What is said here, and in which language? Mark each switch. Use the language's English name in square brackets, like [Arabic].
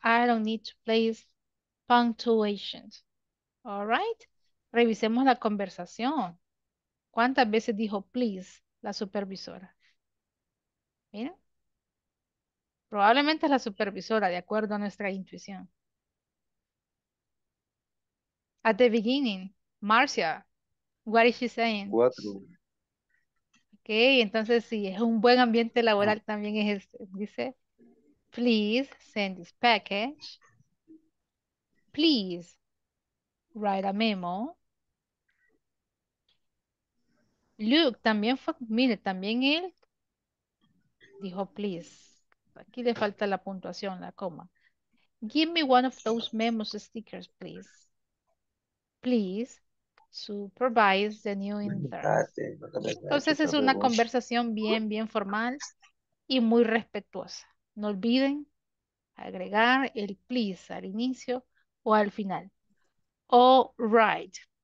[English] I don't need to place punctuation. All right. [Spanish] Revisemos la conversación. ¿Cuántas veces dijo please la supervisora? Mira. Probablemente es la supervisora, de acuerdo a nuestra intuición. [English] At the beginning, Marcia, what is she saying? [Spanish] Cuatro. Ok, entonces sí, es un buen ambiente laboral también es este. Dice, [English] please send this package. Please write a memo. [Spanish] Luke también fue, mire, también él dijo please. Aquí le falta la puntuación, la coma. [English] Give me one of those memo stickers, please. Please supervise the new intern. [Spanish] Entonces es una conversación bien, bien formal y muy respetuosa. No olviden agregar el please al inicio o al final. [English] All right.